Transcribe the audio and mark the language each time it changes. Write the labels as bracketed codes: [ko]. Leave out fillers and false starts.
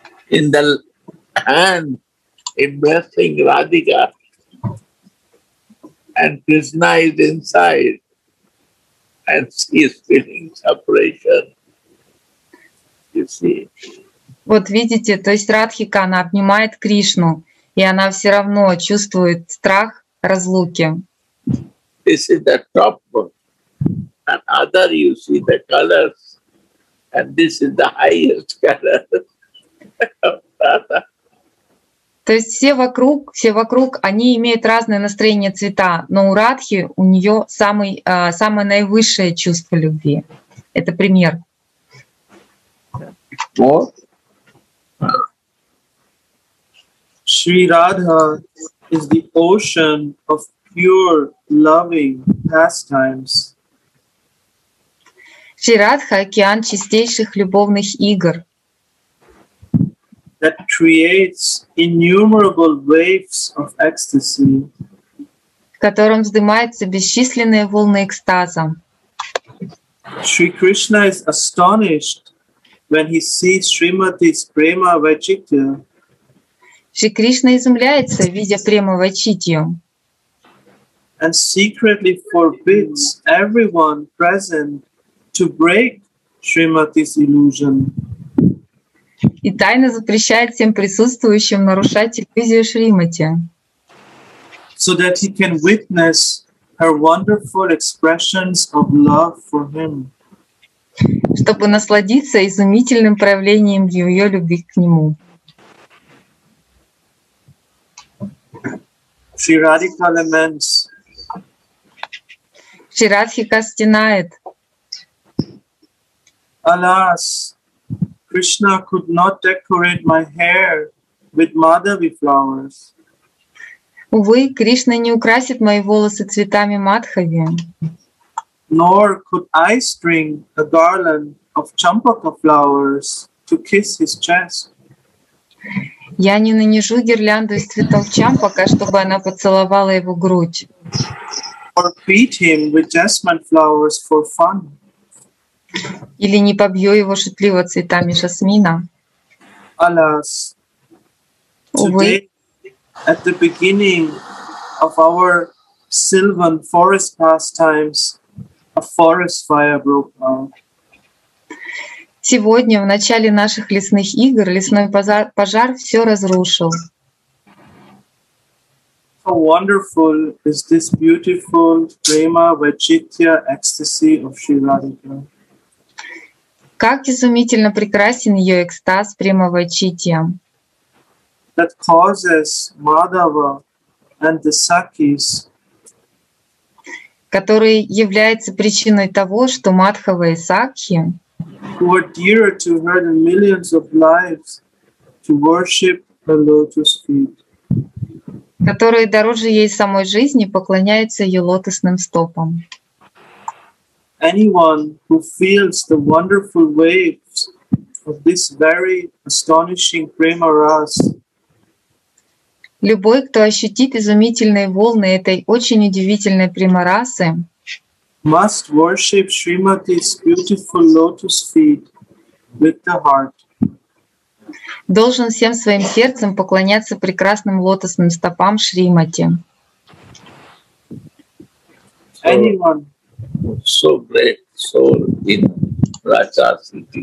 [en] In the hand embracing Radhika and Krishna is inside and she is feeling separation. [ru] Вот видите, то есть Радхика, она обнимает Кришну, и она все равно чувствует страх разлуки. [en] This is the top and other you see the colors, and this is the highest color. [ru] То есть все вокруг, они имеют разные настроения цвета, но у Радхи у нее самое наивысшее чувство любви. Это пример. [en] What? Shri Radha is the ocean of pure loving pastimes. [ru] Shri Radha – океан чистейших любовных игр. [en] That creates innumerable waves of ecstasy. [ru] В котором вздымаются бесчисленные волны экстаза. [en] Shri Krishna is astonished when he sees Srimati's prema vachitya. [ru] Шри Кришна изумляется, видя прему вачитью. [en] And secretly forbids everyone present to break Srimati's illusion. [ru] И тайно запрещает всем присутствующим нарушать иллюзию Шримати. [en] So that he can witness her wonderful expressions of love for him. [ru] Чтобы насладиться изумительным проявлением ее любви к нему. [en] Shri Radhika laments. [ru] Shri Radhika стенает. [en] Alas, Krishna could not decorate my hair with Madhavi flowers. [ru] Увы, Кришна не украсит мои волосы цветами Мадхави. [en] Nor could I string a garland of champaka flowers to kiss his chest. [ru] Я не нанижу гирлянду из цветов чампака, чтобы она поцеловала его грудь. [en] Or beat him with jasmine flowers for fun. [ru] Или не побью его шутливо цветами жасмина. [en] Alas, [ru] увы. [en] Today, at the beginning of our sylvan forest pastimes, a forest fire broke out. [ru] Сегодня в начале наших лесных игр лесной пожар все разрушил. [en] How wonderful is this beautiful prema vachitya ecstasy of Shri Radhika. [ru] Как изумительно прекрасен ее экстаз prema vachitya. [en] That causes Madhava and the Sakis, [ru] который является причиной того, что Мадхава и Сакхи, [en] who are dearer to her than millions of lives, to worship [ru] которые дороже ей самой жизни, поклоняются ее лотосным стопам. [en] Anyone who feels the wonderful waves of this very astonishing prema ras. [ru] Любой, кто ощутит изумительные волны этой очень удивительной примарасы, [en] must worship Shrimati's beautiful lotus feet with the heart. [ru] Должен всем своим сердцем поклоняться прекрасным лотосным стопам Шримати. [en] Anyone so great soul in Rajas.